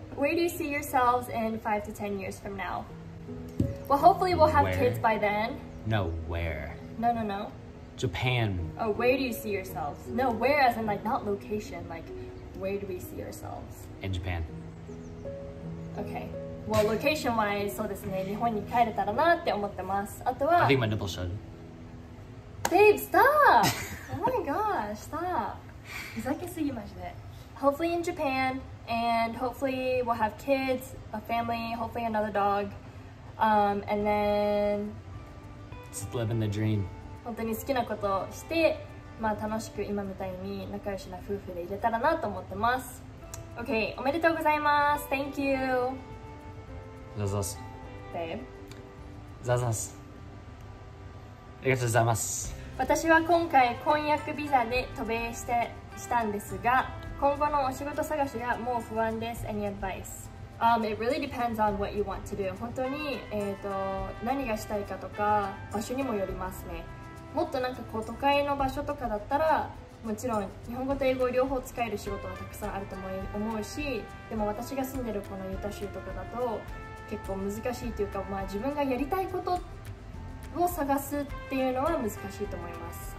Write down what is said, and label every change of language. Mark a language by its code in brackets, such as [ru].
[en] Where do you see yourselves in 5 to 10 years from now? Well, hopefully we'll have kids by then. No, where? No. Japan. Oh, where do you see yourselves? No, where as in like not location, like where do we see ourselves? In Japan. Okay. Well, location-wise, [ja] そうですね。日本に帰れたらなって思ってます。あとは、 [en] I think my nipple should. Babe, stop! Oh my gosh, stop. It's like a sea, imagine it. Hopefully in Japan, and hopefully we'll have kids, a family, hopefully another dog. And then... Just living the dream. [ja] 本当に好きなことをして、まあ、楽しく今みたいに仲良しな夫婦でいれたらなと思ってます。 OK、おめでとうございます。 [en] Thank you! ザザス。 Babe? ザザス。 [ja] ありがとうございます。私は今回婚約ビザで渡米してしたんですが、今後のお仕事探しがもう不安です。 [en] Any advice? It really depends on what you want to do. [ja] 本当に、何がしたいかとか場所にもよりますね。もっとなんかこう都会の場所とかだったらもちろん日本語と英語両方使える仕事はたくさんあると思うし、でも私が住んでるこのユタ州とかだと結構難しいというか、まあ、自分がやりたいことを探すっていうのは難しいと思います。